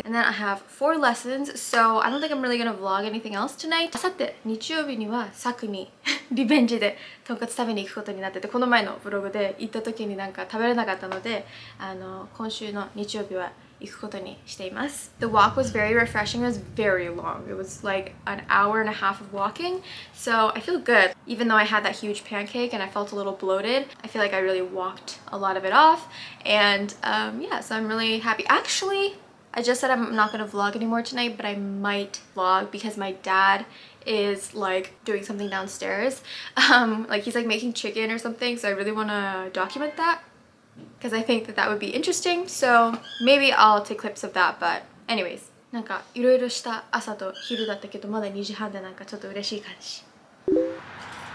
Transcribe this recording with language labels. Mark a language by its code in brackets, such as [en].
[en] And then I have 4 lessons, so I don't think I'm really gonna vlog anything else tonight. [ja] あさって日曜日にはサクにリベンジでとんかつ食べに行くことになってて、この前のブログで行った時になんか食べれなかったので、今週の日曜日は行くことにしています。 [en] The walk was very refreshing. It was very long. It was like an hour and a half of walking. So I feel good. Even though I had that huge pancake and I felt a little bloated, I feel like I really walked a lot of it off. And yeah, so I'm really happy. Actually, I just said I'm not going to vlog anymore tonight, but I might vlog because my dad is like doing something downstairs. Like he's like making chicken or something. So I really want to document that. Because I think that that would be interesting, so maybe I'll take clips of that, but anyways. [ja] なんかいろいろした朝と昼だったけど、まだ2時半でなんかちょっと嬉しい感じ。